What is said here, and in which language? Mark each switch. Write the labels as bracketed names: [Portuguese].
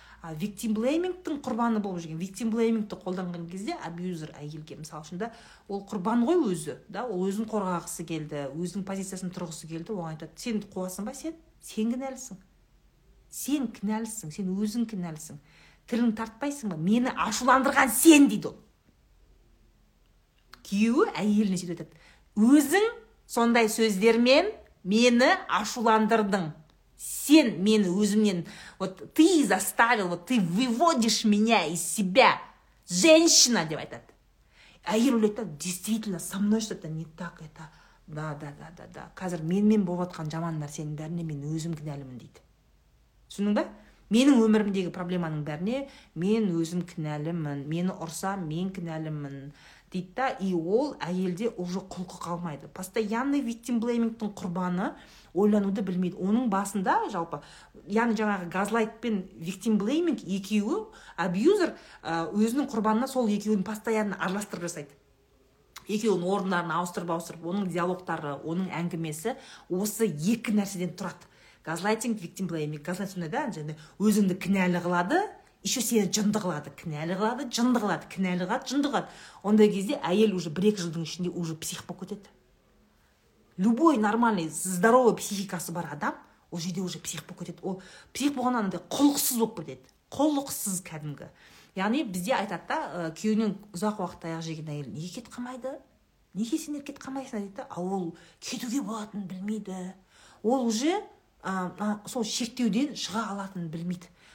[Kazakh] А виктим блеймингтің құрбаны болып жүрген, виктим блеймингті қолданған кезде абьюзер әйелге, мысалы үшін да, ол құрбан ғой өзі, да, ол өзін қорғағысы келді, өзінің позициясын тұрғысы келді, оған айтады, сен қуасың ба сен? Сен кінәлісің. Сен кінәлісің, сен өзің кінәлісің. Тілін тартпайсың ба? Мені ашуландырған сен, дейді ол. Күйеуі әйеліне сөйтіп айтады. Өзің сондай сөздермен мені ашуландырдың. Сен мені өзімнен, [Russian] вот ты заставил, вот ты выводишь меня из себя. Женщина, [Kazakh] деп айтады. Әйел ойлайды, [Russian] действительно, со мной что-то не так, это. Да. [Kazakh] Қазір менмен болып жатқан жаман нәрсенің бәріне мен өзім кінәлімін, дейді. Түсіндің ба? Менің өмірімдегі проблеманың бәріне мен өзім кінәлімін, мені ұрса мен кінәлімін, дейді да, и ол әйелде уже құлқы қалмайды. Постоянный victim blaming-тің құрбаны ойлануды білмейді. Оның басында жалпы, яғни жаңағы газлайт пен victim blaming екеуі, абьюзер өзінің құрбанына сол екеуін постоянно араластырып жасайды. Екеуін орындарын ауыстырып-ауыстырып, оның диалогтары, оның әңгімесі осы екі нәрседен тұрады. Газлайтинг, виктим блейминг. Газлайтинг сонда да, және өзіңді кінәлі қылады, еще сені жынды қылады. Кінәлі қылады, жынды қылады, кінәлі қылады, жынды қылады. Ондай кезде әйел уже 1-2 жылдың ішінде уже псих болып кетеді. [Russian] Любой нормальный, здоровый [Kazakh] психикасы бар адам, ол жерде уже псих болып кетеді. Ол псих болғаннан да құлықсыз болып кетеді. Құлықсыз кәдімгі. Яғни бізде айтады да, күйеуінен ұзақ уақыт таяқ жеген әйел неге кетіп қалмайды? Неге сен еркек қалмайсың дейді? Ол кетуге болатынын білмейді. Ол уже сол шектеуден шыға алатынын білмейді.